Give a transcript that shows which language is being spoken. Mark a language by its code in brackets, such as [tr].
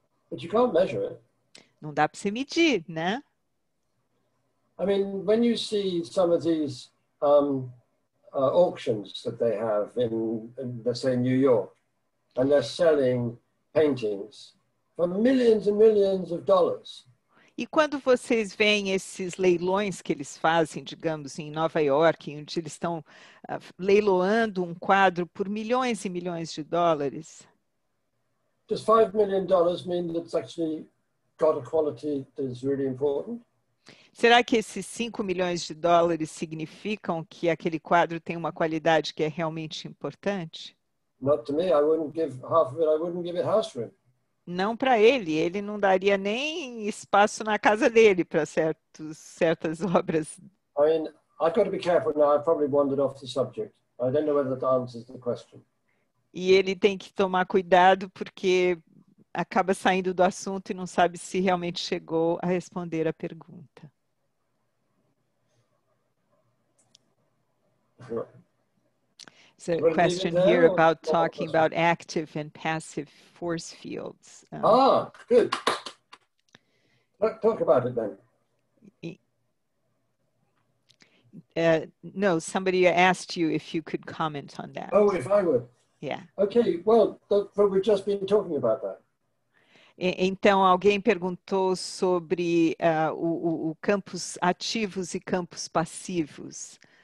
[en] But you can't measure it. [pt] Não dá para você medir, né? [en] I mean, when you see some of these auctions that they have in let's say New York, and they're selling paintings for millions and millions of dollars. [pt] E quando vocês veem esses leilões que eles fazem, digamos, em Nova York, onde eles estão leiloando um quadro por milhões e milhões de dólares? [en] Does $5 million mean that it's actually got a quality that is really important? [pt] Será que esses 5 milhões de dólares significam que aquele quadro tem uma qualidade que é realmente importante? [en] Not to me. I wouldn't give half of it. I wouldn't give it house rent. [pt] Não para ele, ele não daria nem espaço na casa dele para certas obras. [en] I mean, I've got to be careful now, I've probably wandered off the subject. I don't know whether that answers the question. [pt] E ele tem que tomar cuidado porque acaba saindo do assunto e não sabe se realmente chegou a responder a pergunta. [en] So a question here about talking about active and passive force fields. Good. Let's talk about it then. No, somebody asked you if you could comment on that. Oh, if I would. Yeah. Okay, well, we've just been talking about that. [pt] Então, alguém perguntou sobre o campos ativos e campos passivos.